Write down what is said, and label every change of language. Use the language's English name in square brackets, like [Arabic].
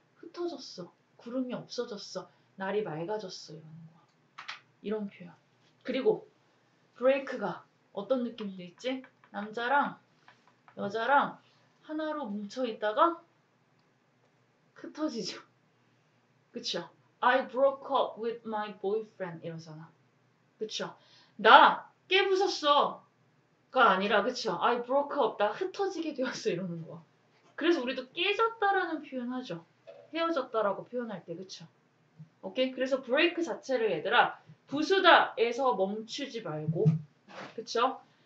[Korean] 흩어졌어. 구름이 없어졌어. 날이 맑아졌어. 이런 거. 이런 표현. 그리고 break가 어떤 느낌이 들지? 남자랑 여자랑 하나로 뭉쳐있다가 흩어지죠. 그쵸? [English] I broke up with my boyfriend [Korean] 이러잖아. 그쵸? 나 깨부셨어가 아니라 그쵸? [English] I broke up [Korean] 나 흩어지게 되었어 이러는 거야. 그래서 우리도 깨졌다라는 표현하죠. 헤어졌다라고 표현할 때 그쵸? 오케이? 그래서 break 자체를 얘들아 부수다에서 멈추지 말고 그쵸?